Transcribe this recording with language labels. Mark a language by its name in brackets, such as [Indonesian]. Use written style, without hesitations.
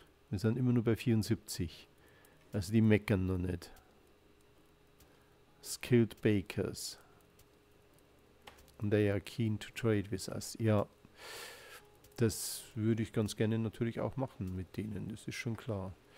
[German] Wir sind immer nur bei 74. Also die meckern noch nicht. [English] Skilled Bakers. And they are keen to trade with us. [German] Ja, das würde ich ganz gerne natürlich auch machen mit denen. Das ist schon klar.